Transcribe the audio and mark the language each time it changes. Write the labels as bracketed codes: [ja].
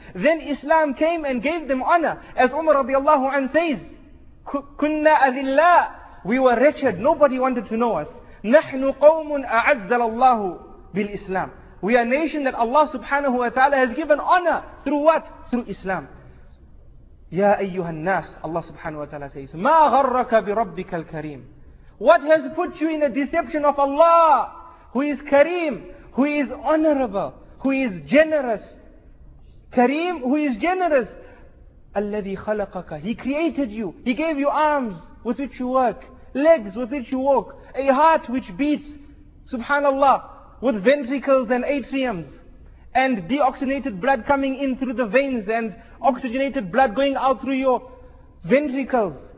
[en] Then Islam came and gave them honor. As Umar radiallahu anh says, [ar] كُنَّا أَذِلَّا. [en] We were wretched, nobody wanted to know us. [ar] نَحْنُ قَوْمٌ أَعَزَّلَ اللَّهُ بِالْإِسْلَامِ. [en] We are a nation that Allah subhanahu wa ta'ala has given honor. Through what? Through Islam. [ar] يا أيها الناس, [en] Allah subhanahu wa ta'ala says, [ar] ما غرك بربك الكريم. [en] What has put you in a deception of Allah, who is Kareem, who is honorable, who is generous? Kareem, who is generous. [ar] الذي خلقك, [en] He created you, He gave you arms with which you work, legs with which you walk, a heart which beats, subhanallah, with ventricles and atriums, and deoxygenated blood coming in through the veins and oxygenated blood going out through your ventricles.